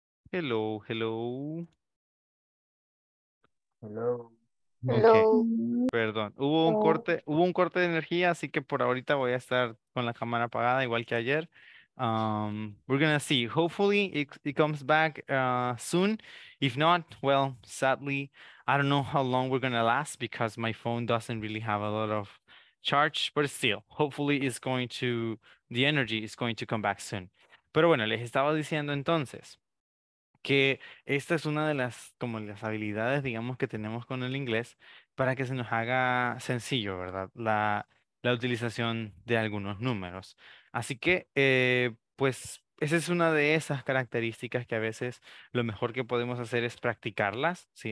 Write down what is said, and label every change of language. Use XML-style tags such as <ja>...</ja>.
<en>Hello, hello. Hello. Okay. Hello.</en> <es>Perdón, hubo un corte de energía, así que por ahorita voy a estar con la cámara apagada igual que ayer.</es> <en>We're gonna see. Hopefully it comes back soon. If not, well, sadly, I don't know how long we're gonna last because my phone doesn't really have a lot of charge, but still, hopefully the energy is going to come back soon.</en> <es>Pero bueno, les estaba diciendo entonces que esta es una de las, como las habilidades, digamos, que tenemos con el inglés para que se nos haga sencillo, ¿verdad? La utilización de algunos números. Así que, pues, esa es una de esas características que a veces lo mejor que podemos hacer es practicarlas, ¿sí?</es>